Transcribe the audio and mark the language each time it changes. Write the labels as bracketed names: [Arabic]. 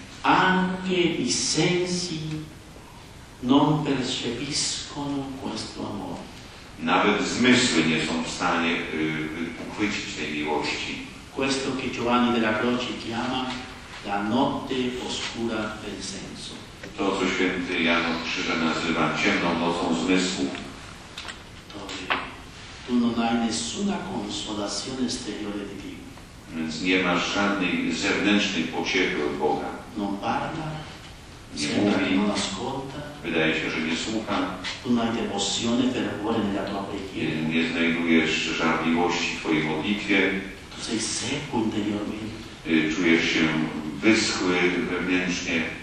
[Italian] Anche i sensi non percepiscono questo amore. [Polish] Nawet zmysły nie są w stanie uchwycić tej miłości. [Italian] Questo che Giovanni della Croce chiama la notte oscura del senso. [Polish] To, co święty Jan od Krzyża nazywa ciemną nocą zmysłu. [Italian] Tu non hai nessuna consolazione esteriore di Dio. [Polish] Więc nie masz żadnej zewnętrznej pociechy od Boga. [Italian] Non parla, [Polish] nie mówi, [Italian] non ascolta, [Polish] wydaje się, że nie słucha. [Italian] Tu non hai devozione per cuore nella tua preghiera. [Polish] Nie znajdujesz żarliwości w Twojej modlitwie. [Italian] Tu sei secco interiormente. [Polish] Czujesz się wyschły wewnętrznie.